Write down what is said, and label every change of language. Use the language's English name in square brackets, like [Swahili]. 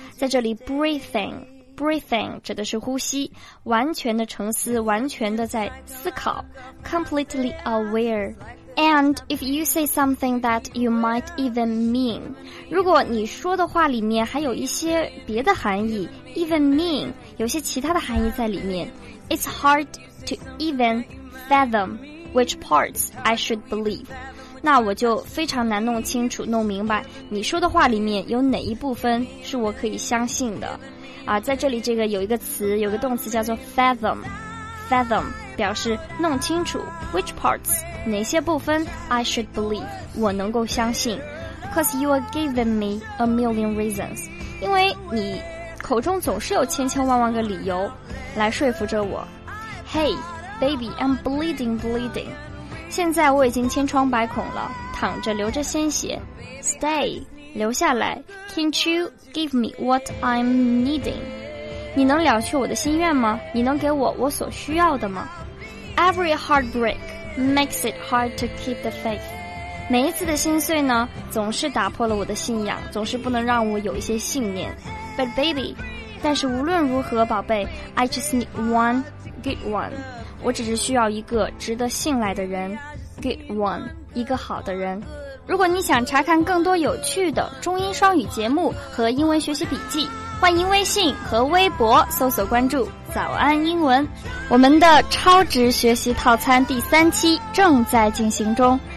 [Chinese] 在这里 breathing 指的是呼吸，完全的沉思，完全的在思考。 [English] completely aware。 And if you say something that you might even mean， [Chinese] 如果你说的话里面还有一些别的含义， [English] even mean [Chinese] 有些其他的含义在里面。 [English] It's hard to even fathom which parts I should believe， [Chinese] 那我就非常难弄清楚、弄明白你说的话里面有哪一部分是我可以相信的。啊，在这里这个有一个词，有个动词叫做 fathom， 表示弄清楚 [English] which parts， [Chinese] 哪些部分 [English] I should believe， [Chinese] 我能够相信。 [English] Cause you are giving me a million reasons， [Chinese] 因为你口中总是有千千万万个理由来说服着我。 [English] Hey, baby, I'm bleeding。 [Chinese] 现在我已经千疮百孔了，躺着流着鲜血。 [English] Stay， [Chinese] 留下来。 [English] Can't you give me what I'm needing？ [Chinese] 你能了却我的心愿吗？你能给我所需要的吗 [English] ？Every heartbreak makes it hard to keep the faith。 [Chinese] 每一次的心碎呢，总是打破了我的信仰，总是不能让我有一些信念。 [English] But baby， [Chinese] 但是无论如何，宝贝 [English] ，I just need one good one。 [Chinese] 我只是需要一个值得信赖的人 ，good one， 一个好的人。如果你想查看更多有趣的中英双语节目和英文学习笔记，欢迎微信和微博搜索关注“早安英文”。我们的超值学习套餐第三期正在进行中。